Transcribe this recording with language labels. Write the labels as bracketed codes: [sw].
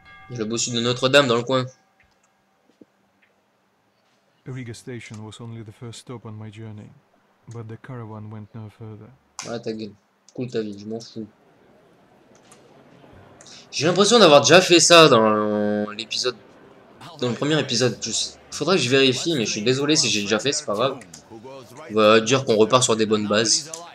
[fr] Le bossu de Notre-Dame dans le coin. [en] Riga Station was only the first stop on my journey, but the caravan went no further. [fr] Ouais, ta gueule. Cool ta vie, je m'en fous. J'ai l'impression d'avoir déjà fait ça dans l'épisode, dans le premier épisode. Faudrait que je vérifie, mais je suis désolé si j'ai déjà fait, c'est pas grave. On va dire qu'on repart sur des bonnes bases.